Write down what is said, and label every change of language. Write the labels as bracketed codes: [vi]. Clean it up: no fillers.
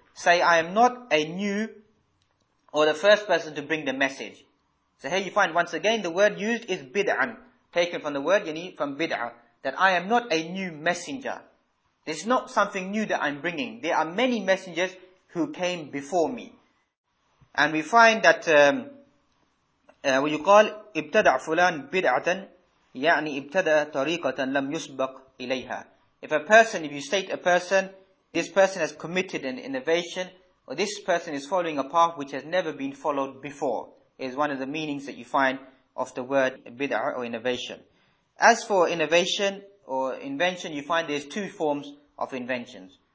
[en] Say, I am not a new or the first person to bring the message. So here you find once again the word used is bid'an, taken from the word yani from bid'ah, that I am not a new messenger. It's not something new that I'm bringing. There are many messengers who came before me. And we find that when you call [ar] ابْتَدَعْ فُلَانْ بِدْعَةً يَعْنِي ابْتَدَى طَرِيقَةً لَمْ يُسْبَقْ إِلَيْهَا. [en] If a person, if you state a person, this person has committed an innovation, or this person is following a path which has never been followed before, is one of the meanings that you find of the word bid'ah or innovation. As for innovation or invention, you find there's 2 forms of inventions.